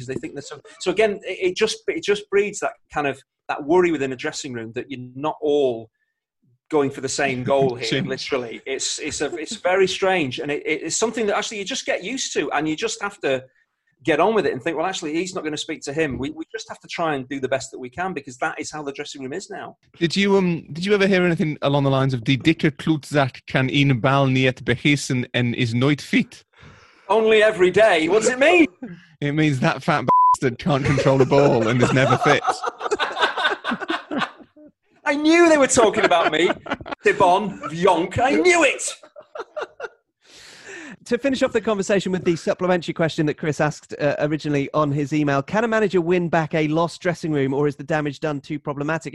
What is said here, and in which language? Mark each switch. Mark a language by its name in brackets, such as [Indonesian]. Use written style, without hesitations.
[English] Because they think they're so again, it just breeds that kind of, that worry within a dressing room that you're not all going for the same goal here, literally. It's very strange. And it's something that actually you just get used to and you just have to get on with it and think, well, actually, he's not going to speak to him. We just have to try and do the best that we can because that is how the dressing room is now. Did you ever hear anything along the lines of [Dutch] "Die dikke klootzak kan een bal niet beheersen en is nooit fit"? [English] Only every day. What does it mean? It means that fat bastard can't control a ball and is never fit. I knew they were talking about me, Cibon, Jonk. I knew it. To finish off the conversation with the supplementary question that Chris asked originally on his email, can a manager win back a lost dressing room or is the damage done too problematic?